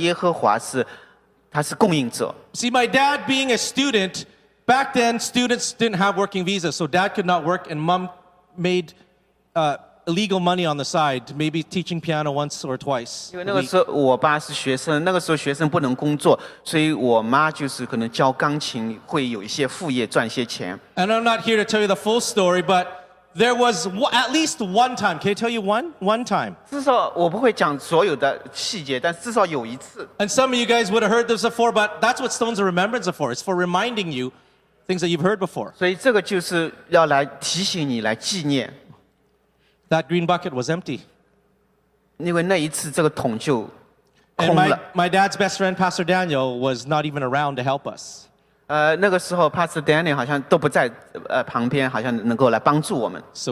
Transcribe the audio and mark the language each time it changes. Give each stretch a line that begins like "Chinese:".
Chinese: 因为有的时候，就是我的父亲带领我们，好像围着这个桶跳舞，就是来说耶和华是，他是供应者。
English: See, my dad being a student, back then students didn't have working visas, so dad could not work, and mom made illegal money on the side, maybe teaching piano once or twice.
Chinese: 因为那个时候我爸是学生，那个时候学生不能工作，所以我妈就是可能教钢琴，会有一些副业赚些钱。
English: And I'm not here to tell you the full story, but there was at least one time. Can I tell you one time?
Chinese: 至少我不会讲所有的细节，但至少有一次。
English: And some of you guys would have heard this before, but that's what stones of remembrance are for. It's for reminding you things that you've heard before.
Chinese: 所以这个就是要来提醒你，来纪念。
English: That green bucket was empty.
Chinese: 因为那一次这个桶就空了。
English: My dad's best friend, Pastor Daniel, was not even around to help us.
Chinese: 那个时候 Pastor Daniel 好像都不在旁边，好像能够来帮助我们。
English: So